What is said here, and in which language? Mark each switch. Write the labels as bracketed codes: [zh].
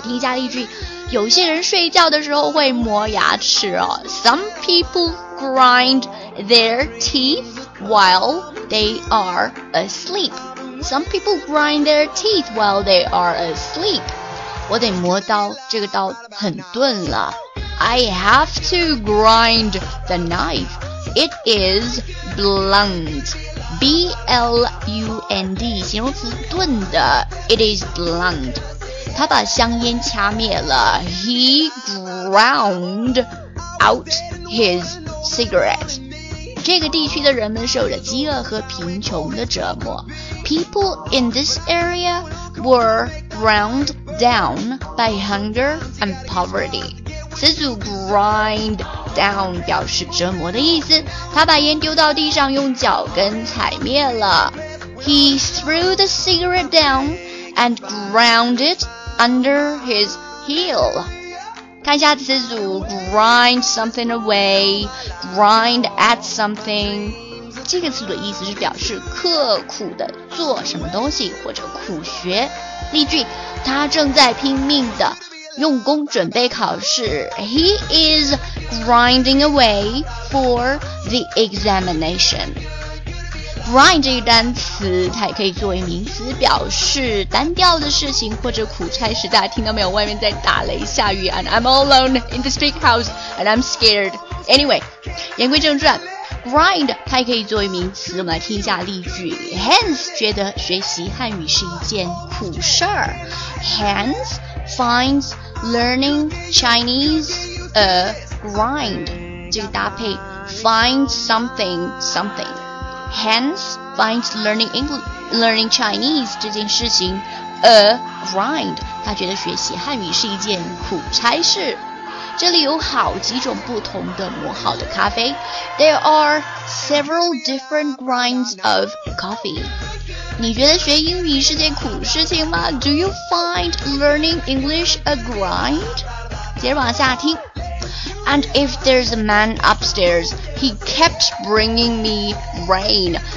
[zh] 听一下例句，有些人睡觉的时候会磨牙齿哦。 [en] Some people grind their teeth while they are asleep. Some people grind their teeth while they are asleep. [zh] 我得磨刀，这个刀很钝了。 [en] I have to grind the knife. It is blunt. [zh] B-L-U-N-D, 形容词钝的。 [en] It is blunt. [zh] 他把香烟掐灭了。 [en] He ground out his cigarette. [zh] 这个地区的人们受着饥饿和贫穷的折磨。 [en] People in this area were ground down by hunger and poverty. [zh] 此组 ground down 表示折磨的意思。他把烟丢到地上，用脚跟踩灭了。 [en] He threw the cigarette down and ground it under his heel. [zh] 看一下词组 [en] grind something away, grind at something. [zh] 这个词组的意思是表示刻苦的做什么东西或者苦学。例句，他正在拼命的用功准备考试。 [en] He is grinding away for the examination. [zh] Grind 这个单词它也可以作为名词表示单调的事情或者苦差事大家听到没有外面在打雷下雨 [en] And I'm all alone in this big house And I'm scared Anyway [zh] 言归正传 Grind 它也可以作为名词我们来听一下例句 Hans 觉得学习汉语是一件苦事 [en] Hans finds learning Chinese a grind [zh] 这个搭配 [en] Find somethingHence, finds learning Chinese [zh] 这件事情 a grind. 他觉得学习汉语是一件苦差事。这里有好几种不同的磨好的咖啡。 [en] There are several different grinds of coffee. [zh] 你觉得学英语是件苦事情吗 ？ [en] Do you find learning English a grind? [zh] 接着往下听。 [en] And if there's a man upstairs, he kept bringing me rain.